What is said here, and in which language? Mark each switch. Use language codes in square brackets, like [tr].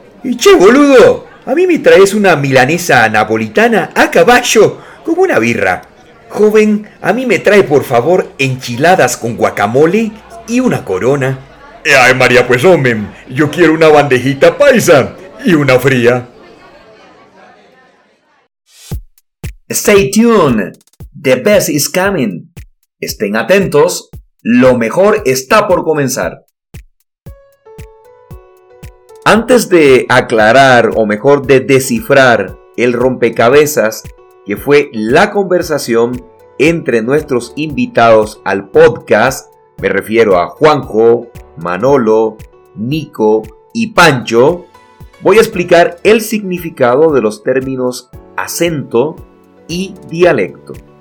[es] ¡Y che, boludo! A mí me traes una milanesa napolitana a caballo, como una birra. Joven, a mí me trae por favor enchiladas con guacamole y una corona. Ay, María, pues hombre, yo quiero una bandejita paisa y una fría. [en] Stay tuned, the best is coming. [es] Estén atentos, lo mejor está por comenzar. Antes de aclarar, o mejor, de descifrar el rompecabezas que fue la conversación entre nuestros invitados al podcast, me refiero a Juanjo, Manolo, Nico y Pancho, voy a explicar el significado de los términos acento y dialecto.